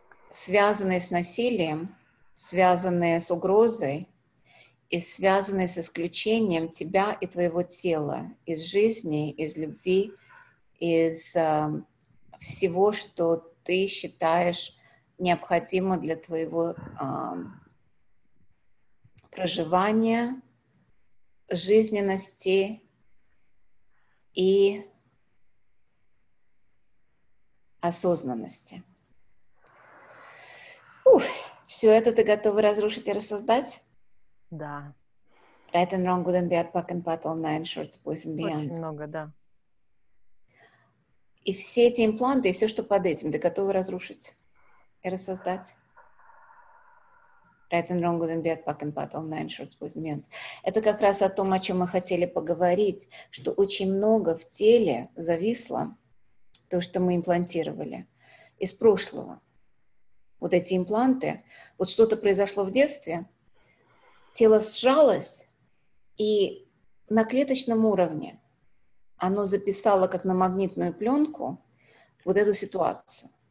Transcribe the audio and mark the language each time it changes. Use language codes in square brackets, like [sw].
[ru] связанные с насилием, связанные с угрозой и связанные с исключением тебя и твоего тела из жизни, из любви, из всего, что ты считаешь необходимо для твоего проживания, жизненности и осознанности. Ух, все это ты готова разрушить и рассоздать? Да. [en] Right and wrong, good and bad, pack and pot, all nine shorts, boys and beyonds. [ru] Очень много, да. И все эти импланты, и все, что под этим, ты готова разрушить и рассоздать? [en] Right and wrong, good and bad, pack and pot, all nine shorts, boys and beyonds. [ru] Это как раз о том, о чем мы хотели поговорить, что очень много в теле зависло то, что мы имплантировали из прошлого. Вот эти импланты, вот что-то произошло в детстве, тело сжалось, и на клеточном уровне оно записало, как на магнитную пленку, вот эту ситуацию.